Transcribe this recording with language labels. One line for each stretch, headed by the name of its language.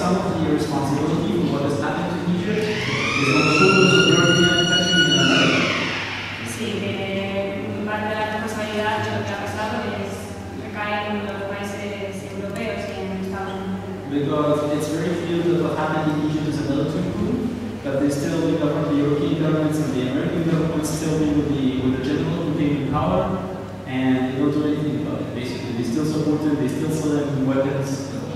English: some of the responsibility for what is happening to Egypt is on the shoulders of European countries and Americans.
Spanish: Sí, que parte de la responsabilidad de lo que ha pasado es recae en los países europeos.
English: Because it's very clear that what happened in Egypt is a military coup, but they still, the European governments and the American governments still be with the general who came in power, and they don't do anything about it. Basically, they still support it, they still sell them weapons.